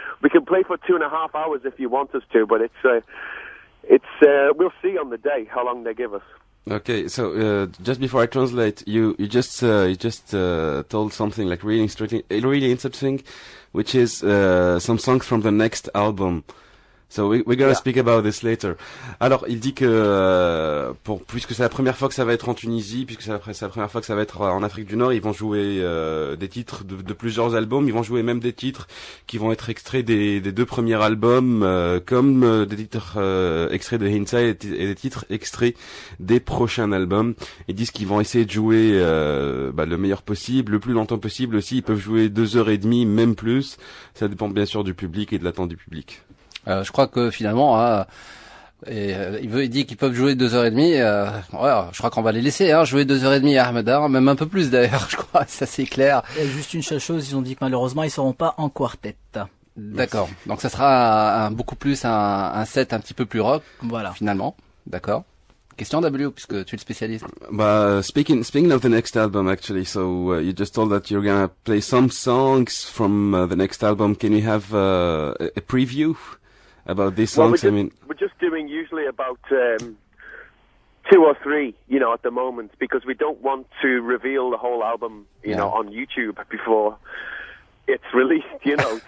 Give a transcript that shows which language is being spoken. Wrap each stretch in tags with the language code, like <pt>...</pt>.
<en>We can play for 2.5 hours if you want us to, but it's a... It's we'll see on the day how long they give us. Okay, so just before I translate, you just told something like really interesting, which is some songs from the next album. So we're gonna speak about this later.</en> <fr>Alors, il dit que puisque c'est la première fois que ça va être en Tunisie, puisque c'est la première fois que ça va être en Afrique du Nord, ils vont jouer des titres de plusieurs albums. Ils vont jouer même des titres qui vont être extraits des deux premiers albums, comme des titres extraits de Hindsight et des titres extraits des prochains albums. Ils disent qu'ils vont essayer de jouer le meilleur possible, le plus longtemps possible aussi. Ils peuvent jouer 2h30, même plus. Ça dépend bien sûr du public et de l'attente du public. Je crois que finalement, il dit qu'ils peuvent jouer 2h30. Je crois qu'on va les laisser jouer 2h30 à Ahmedar, même un peu plus d'ailleurs, je crois, ça c'est clair. Et juste une seule chose, ils ont dit que malheureusement, ils ne seront pas en quartet. D'accord, oui. Donc ça sera beaucoup plus un set un petit peu plus rock, voilà. Finalement. D'accord. Question W, puisque tu es le spécialiste.</fr> <en>Speaking of the next album, actually, so you just told that you're going to play some songs from the next album. Can you have a preview about these songs? Well, we're just doing usually about two or three, you know, at the moment, because we don't want to reveal the whole album, you know, on YouTube before it's released, you know.</en>